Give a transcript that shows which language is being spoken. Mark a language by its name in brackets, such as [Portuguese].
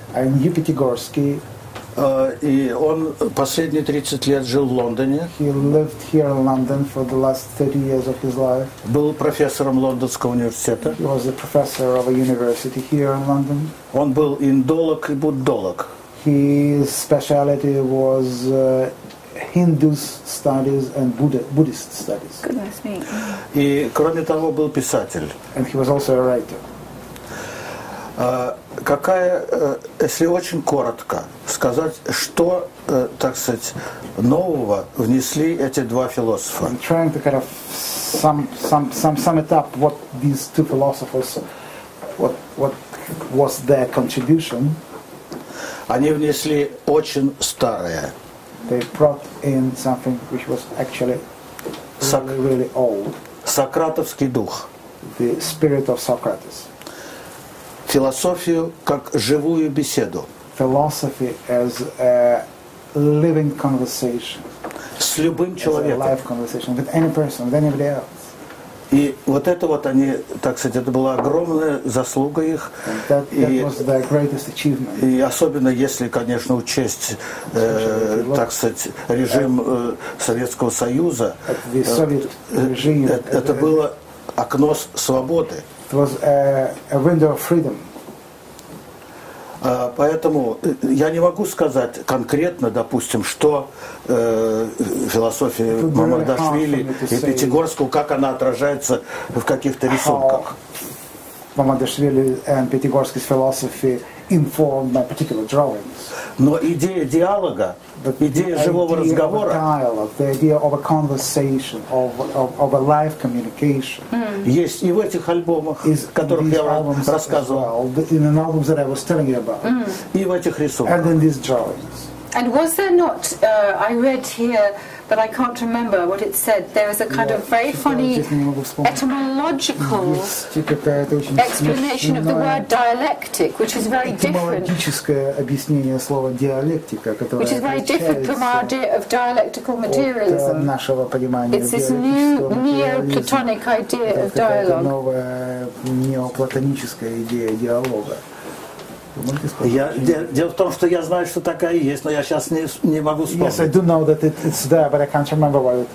[English] And you, Пятигорский, [Russian] И он последние 30 лет жил в Лондоне. [English] He lived here in London for the last 30 years of his life. [Russian] Был профессором Лондонского университета. [English] He was a professor of a university here in London. [Russian] Он был индолог и буддолог. [English] His specialty was Hindu studies and Buddhist studies. Goodness me. [Russian] И кроме того, был писатель. [English] And he was also a writer. [Russian] Какая, если очень коротко сказать, что, так сказать, нового внесли эти два философа? [English] I'm trying to kind of sum it up what these two philosophers, what was their contribution. [Russian] Они внесли очень старое. [English] They brought in something which was actually really old. [Russian] Сократовский дух. [English] The spirit of Socrates. [Russian] Философию как живую беседу. [English] Philosophy as a living conversation. [Russian] С любым человеком. [English] As a live conversation with any person, with anybody else. [Russian] И вот это вот они, так сказать, это была огромная заслуга их. [English] And that was their greatest achievement. [Russian] И особенно если, конечно, учесть, так сказать, режим Советского Союза. [English] The Soviet regime. [Russian] Это было окно свободы. [English] It was a window of freedom. [Russian] Поэтому я не могу сказать конкретно, допустим, что философия Мамардашвили и Пятигорского, как она отражается в каких-то рисунках. [English] Мамардашвили and Пятигорский's philosophy informed by particular drawings. [Russian] Но идея диалога, идея живого разговора, [English] the idea of a conversation, of a live communication, [Russian] есть и в этих альбомах, которых я вам рассказывал, [English] in the albums that I was telling you about, [Russian] и в этих рисунках, [English] and in these drawings. And was there not? I read here, but I can't remember what it said. There was a kind of very funny etymological explanation of the word dialectic, which is very different. Which is very different from our idea of dialectical materialism. It's this new neoplatonic idea of dialogue. [Russian] Дело в том, что я знаю, что такая есть, но я сейчас не могу вспомнить. [English] Yes, I do know that it's there, but I can't remember what it was.